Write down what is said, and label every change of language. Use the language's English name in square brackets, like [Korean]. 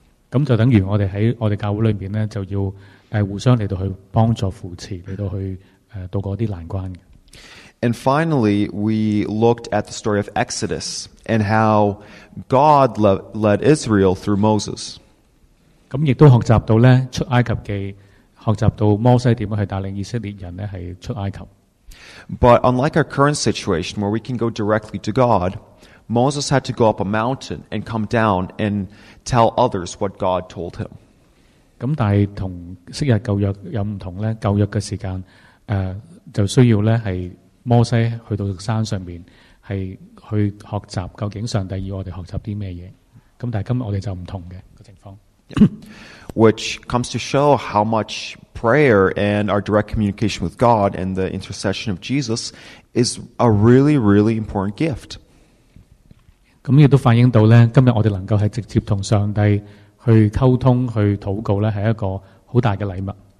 [Cantonese] 咁就等于我哋喺我哋教会里面咧，就要互相嚟到去帮助扶持，嚟到去渡过啲难关。 [English] And finally, we looked at the story of Exodus and how God led Israel through Moses. [Cantonese] 咁亦都学习到咧出埃及记。学习到摩西点样去带领以色列人咧，系出埃及。 [English] But unlike our current situation where we can go directly to God, Moses had to go up a mountain and come down and tell others what God told him. [Cantonese] 咁但系同昔日旧约有唔同咧，旧约嘅时间，就需要咧系摩西去到山上边，系去学习究竟上帝要我哋学习啲咩嘢。咁但系今日我哋就唔同嘅个情况。 [English] Which comes to show how much prayer and our direct communication with God and the intercession of Jesus is a really, really important gift. [Cantonese] 咁亦都反映到咧，今日我哋能够系直接同上帝去沟通、去祷告咧，系一个好大嘅礼物。